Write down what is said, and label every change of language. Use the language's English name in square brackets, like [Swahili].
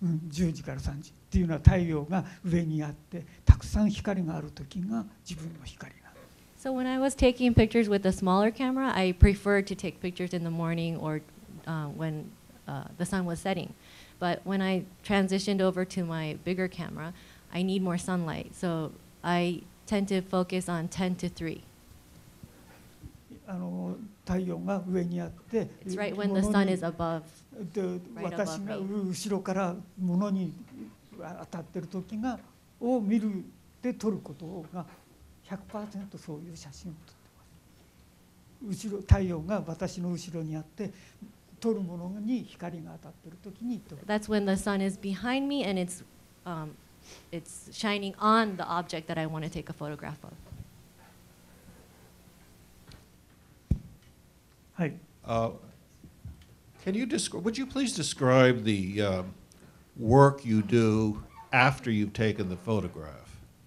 [Japanese] 10時から3時っていうのは太陽が上にあって、たくさん光がある時が自分の光なんです。 [English] So when I was taking pictures with a smaller camera, I preferred to take pictures in the morning or when the sun was setting. But when I transitioned over to my bigger camera, I need more sunlight. So I tend to focus on 10 to 3. [Japanese] 太陽が上にあって、 [English] It's right when the sun is above. [Japanese] で、私が後ろから物に当たってる時がを見るで撮ることが 100% そういう写真を撮ってます。後ろ、太陽が私の後ろにあって、撮るものに光が当たってる時に撮る。 [English] That's when the sun is behind me and it's shining on the object that I want to take a photograph of. Hi. Can you describe? Would you please describe the work you do after you've taken the photograph?